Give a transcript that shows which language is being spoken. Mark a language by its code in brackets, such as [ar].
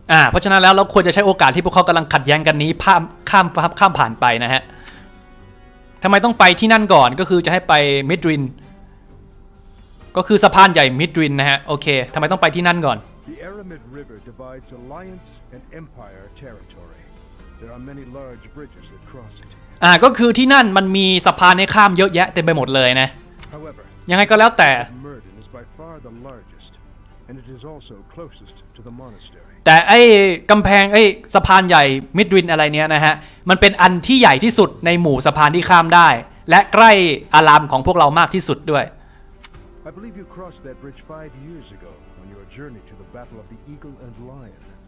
[th] เพราะฉะนั้นเราต้องควรจะใช้โอกาสที่พวกเขากำลังขัดแย้งกันนี้ข้ามผ่านไปนะฮะทำไมต้องไปที่นั่นก่อนก็คือจะให้ไปมิดรินก็คือสะพานใหญ่มิดรินนะฮะโอเคทำไมต้องไปที่นั่นก่อน [en] The Aramid River divides Alliance and Empire territory. There are many large bridges that cross it. [th] ก็คือที่นั่นมันมีสะพานให้ข้ามเยอะแยะเต็มไปหมดเลยนะ [en] However, [th] ยังไงก็แล้วแต่ [en] Murden is by far the largest and it is also closest to the monastery. [th] แต่ไอ้กำแพงไอ้สะพานใหญ่มิดรินอะไรเนี้ยนะฮะมันเป็นอันที่ใหญ่ที่สุดในหมู่สะพานที่ข้ามได้และใกล้อารามของพวกเรามากที่สุดด้วย [en] I believe you crossed that bridge 5 years ago on your journey to the Battle of the Eagle and Lion.